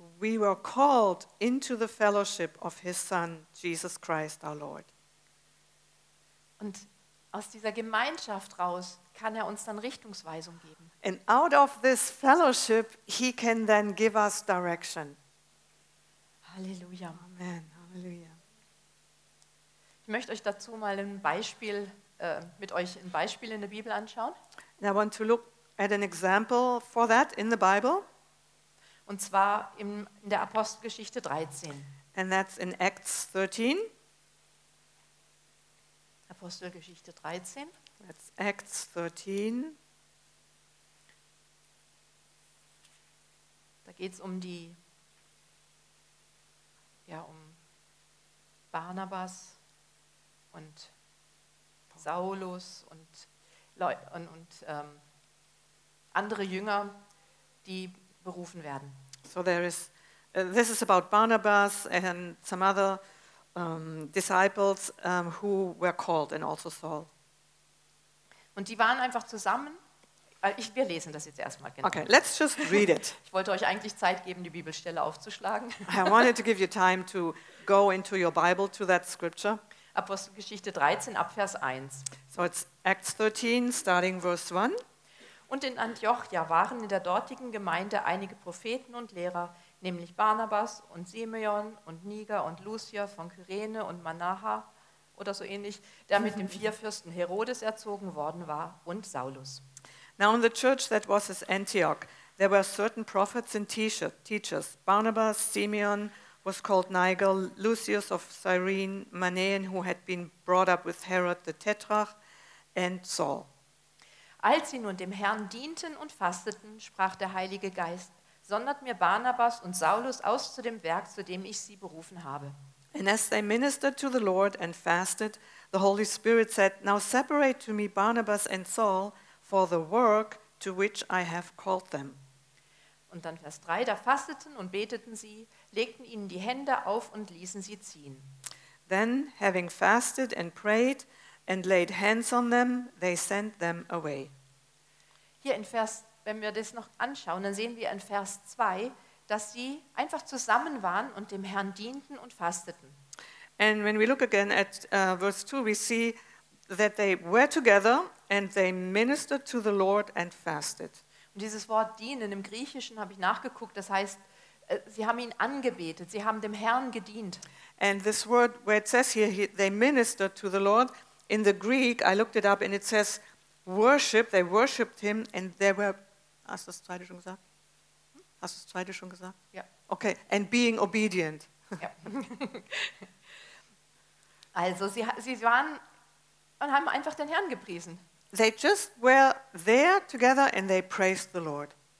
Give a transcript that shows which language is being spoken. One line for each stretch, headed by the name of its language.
English: We were called into the fellowship of his son Jesus Christ our Lord.
German: Und aus dieser Gemeinschaft raus kann er uns dann Richtungsweisung geben.
English: And out of this fellowship he can then give us direction. Halleluja. Amen. Halleluja.
German: Ich möchte euch dazu mal ein Beispiel mit euch ein Beispiel in der Bibel anschauen.
English: And I want to look at an example for that in the Bible.
German: Und zwar in der Apostelgeschichte 13.
English: And that's in Acts 13.
German: Apostelgeschichte 13.
English: That's Acts 13.
German: Da geht's um die um Barnabas und Saulus und andere Jünger, die berufen werden.
English: So there is this is about Barnabas and some other disciples who were called and also Saul.
German: Und die waren einfach zusammen. Wir lesen das jetzt erstmal genau.
English: Okay, let's just read it.
German: Ich wollte euch eigentlich Zeit geben, die Bibelstelle aufzuschlagen.
English: I wanted to give you time to go into your Bible to that scripture.
German: Apostelgeschichte 13, Abvers 1.
English: So it's Acts 13, starting verse 1.
German: Und in Antiochia waren in der dortigen Gemeinde einige Propheten und Lehrer, nämlich Barnabas und Simeon und Niger und Lucia von Kyrene und Manaha oder so ähnlich, der mit dem Vierfürsten Herodes erzogen worden war, und Saulus.
English: Now in the church that was at Antioch, there were certain prophets and teachers. Barnabas, Simeon was called Niger, Lucius of Cyrene, Manaen, who had been brought up with Herod the Tetrarch, and Saul.
German: Als sie nun dem Herrn dienten und fasteten, sprach der Heilige Geist, sondert mir Barnabas und Saulus aus zu dem Werk, zu dem ich sie berufen habe.
English: And as they ministered to the Lord and fasted, the Holy Spirit said, now separate to me Barnabas and Saul for the work to which I have called them.
German: Und dann Vers 3, da fasteten und beteten sie, legten ihnen die Hände auf und ließen sie ziehen.
English: Then having fasted and prayed, and laid hands on them, they sent them away.
German: Hier in Vers, wenn wir das noch anschauen, dann sehen wir in Vers 2, dass sie einfach zusammen waren und dem Herrn dienten und fasteten.
English: And when we look again at verse 2, we see that they were together and they ministered to the Lord and fasted.
German: Und dieses Wort dienen im Griechischen habe ich nachgeguckt, das heißt, sie haben ihn angebetet, sie haben dem Herrn gedient.
English: And this word where it says here, they ministered to the Lord, in the Greek, I looked it up, and it says worship, they worshipped him, and they were,
German: hast du das zweite schon gesagt? Hast du das zweite schon gesagt? Ja.
English: Okay, and being obedient.
German: Ja. Also sie waren und haben einfach den Herrn gepriesen.
English: They just were there together and they praised the Lord.